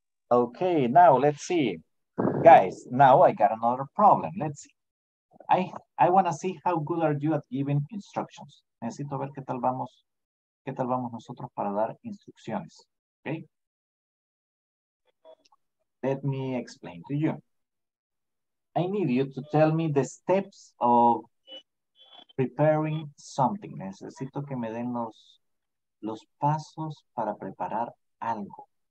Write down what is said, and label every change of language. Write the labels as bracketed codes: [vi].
[en] Okay, now let's see. Guys, now I got another problem. Let's see. I want to see how good are you at giving instructions. [es] Necesito ver qué tal vamos nosotros para dar instrucciones. [en] Okay? Let me explain to you. I need you to tell me the steps of preparing something. [es] Necesito que me den los pasos para preparar algo.